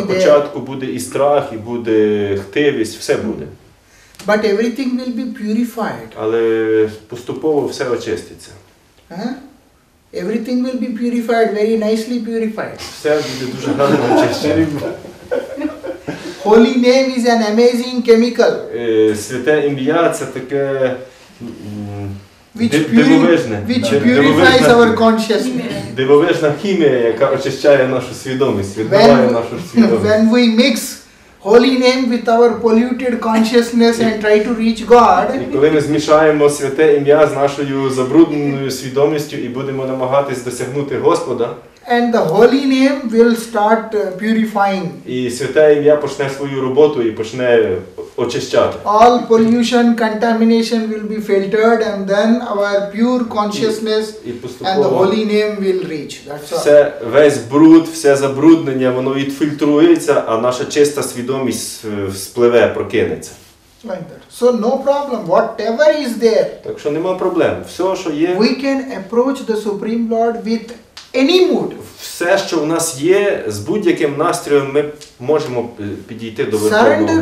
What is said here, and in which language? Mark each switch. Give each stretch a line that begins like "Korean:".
Ukrainian: На початку буде і страх, і буде хтивість, все буде.
English: But everything will be purified.
Ukrainian: Але поступово все очиститься.
English: Everything will be purified, very nicely purified.
Ukrainian: Все буде дуже гарно очищено.
English: Holy name is an amazing chemical.
Ukrainian: Святе ім'я – це таке...
English: Which purifies our consciousness.
Ukrainian: Дивовижна хімія, яка очищає нашу свідомість, відбиває нашу свідомість.
English: When we mix holy name with our polluted consciousness and try to reach God.
Ukrainian: І коли ми змішаємо святе ім'я з нашою забрудненою свідомістю і будемо намагатись досягнути Господа.
English: And the holy name will start purifying.
Ukrainian: І святе ім'я почне свою роботу і почне очищати.
English: All pollution, contamination will be filtered and then our pure consciousness and the holy name will reach. That's all.
Ukrainian: Все, весь бруд, все забруднення, воно відфільтрується, а наша чиста свідомість спливе, прокинеться.
English: So no problem, whatever is there.
Ukrainian: Так що нема проблем. Все, що є.
English: We can approach the Supreme Lord with any mood.
Ukrainian: Все, що в нас є, з будь-яким настроєм ми можемо підійти до Верховного